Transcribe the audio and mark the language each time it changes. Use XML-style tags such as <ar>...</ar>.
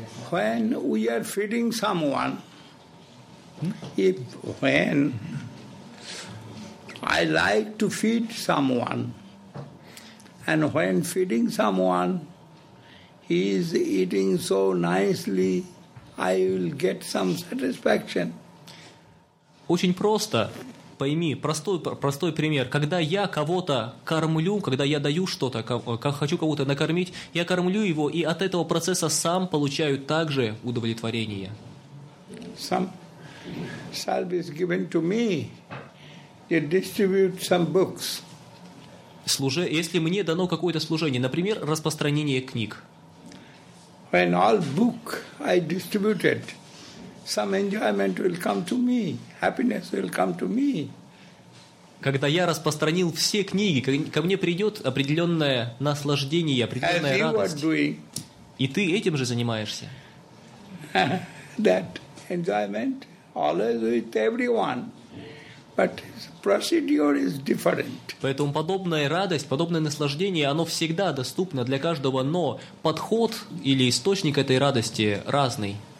<en>When we are feeding someone, when I like to feed someone, and when feeding someone, he is eating so nicely, I will get some satisfaction.</en> <ru>Очень просто. Пойми, простой пример. Когда я кого-то кормлю, когда я даю что-то, как хочу кого-то накормить, я кормлю его, и от этого процесса сам получаю также удовлетворение.</ru> <en>Some service given to me. They distribute some books.</en> <ru>Если мне дано какое-то служение, например, распространение книг.</ru> <en>When all book I distributed, some enjoyment will come to me, happiness will come to me.</en> <ru>Когда я распространил все книги, ко мне придет определенное наслаждение, определенная радость. И ты этим же занимаешься.</ru> <en>That enjoyment always with everyone. But procedure is different.</en> <ru>Поэтому подобная радость, подобное наслаждение, оно всегда доступно для каждого, но подход или источник этой радости разный.</ru>